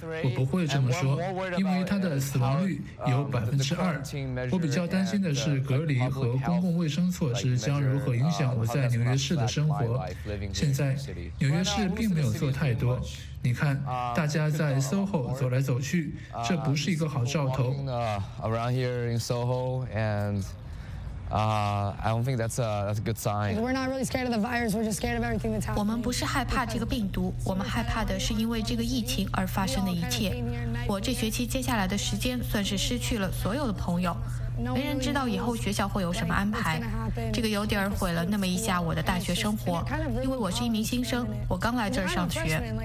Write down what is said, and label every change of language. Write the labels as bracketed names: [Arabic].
[Chinese] 我不会这么说，因为它的死亡率有2%。我比较担心的是隔离和公共卫生措施将如何影响我在纽约市的生活。现在，纽约市并没有做太多。你看，大家在 SOHO 走来走去，这不是一个好兆头。 [English] Around here in SOHO and I don't think that's a good sign. We're not really scared of the virus. We're just scared of everything that's happening. [Chinese] 我们不是害怕这个病毒，我们害怕的是因为这个疫情而发生的一切。我这学期接下来的时间算是失去了所有的朋友，没人知道以后学校会有什么安排。这个有点毁了那么一下我的大学生活，因为我是一名新生，我刚来这儿上学。